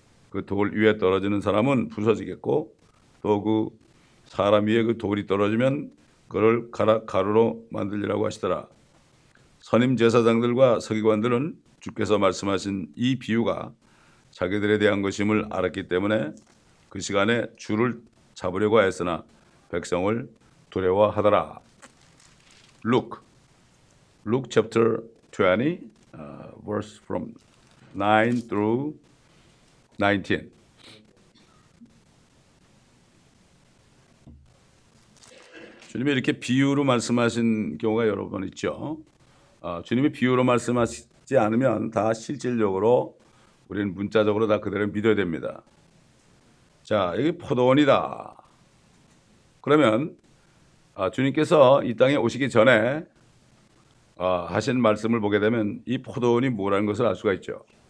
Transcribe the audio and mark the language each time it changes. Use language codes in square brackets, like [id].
[ko] 그 돌 위에 떨어지는 사람은 부서지겠고 또그 사람 위에 그 돌이 떨어지면 그를 가루로 만들리라고 하시더라. 선임 제사장들과 서기관들은 주께서 말씀하신 이 비유가 자기들에 대한 것임을 알았기 때문에 그 시간에 주를 잡으려고 하였으나 백성을 두려워하더라. [en] Luke chapter 20, verse from 9 through 19. [ko] 주님이 이렇게 비유로 말씀하신 경우가 여러 번 있죠. 주님이 비유로 말씀하시지 않으면 다 실질적으로 우리는 문자적으로 다 그대로 믿어야 됩니다. 자, 여기 포도원이다. 그러면 주님께서 이 땅에 오시기 전에 하신 말씀을 보게 되면 이 포도원이 뭐라는 것을 알 수가 있죠.